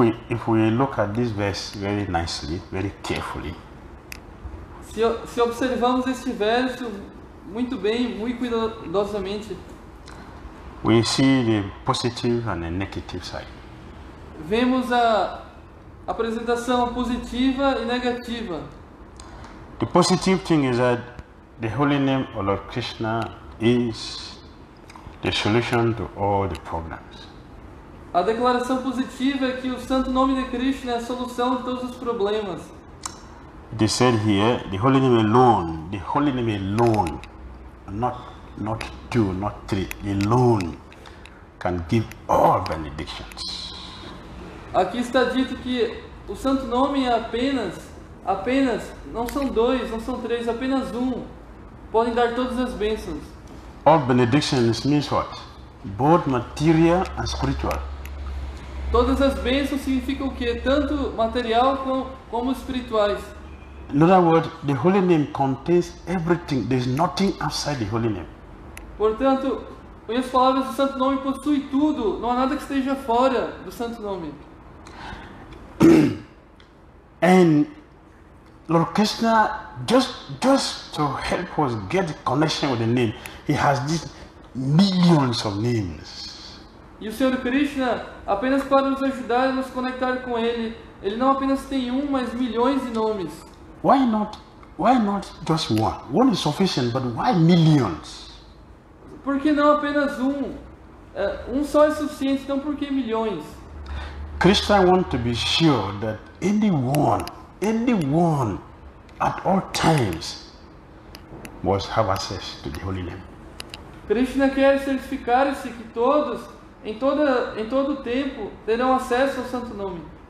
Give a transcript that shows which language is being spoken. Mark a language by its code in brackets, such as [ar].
[en] If we look at this verse very nicely, very carefully. [pt] Se observamos este verso muito bem, muito cuidadosamente, [en] we see the positive and the negative side. [pt] Vemos a apresentação positiva e negativa. [en] The positive thing is that the holy name of Lord Krishna is the solution to all the problems. [pt] A declaração positiva é que o santo nome de Krishna é a solução de todos os problemas. [en] They said here, the holy name alone, not two, not three, alone can give all benedictions. [pt] Aqui está dito que o santo nome é apenas, não são dois, não são três, apenas um, podem dar todas as bênçãos. [en] All benedictions means what? Both material and spiritual. [pt] Todas as bênçãos significam o quê? Tanto material como espirituais. [en] In other words, the holy name contains everything. There is nothing outside the holy name. [pt] Portanto, em outras palavras, o santo nome possui tudo. Não há nada que esteja fora do santo nome. [en] And Lord Krishna, just to help us get the connection with the name, he has these millions of names. [pt] E o Senhor Krishna, apenas para nos ajudar a nos conectar com Ele, Ele não apenas tem um, mas milhões de nomes. [en] Why not just one? One is sufficient, but why millions? [pt] Por que não apenas um? Um só é suficiente, então por que milhões? [en] Krishna wants to be sure that anyone, at all times, must have access to the Holy Name. [pt] Krishna quer certificar-se que todos, em todo tempo, terão acesso ao Santo Nome.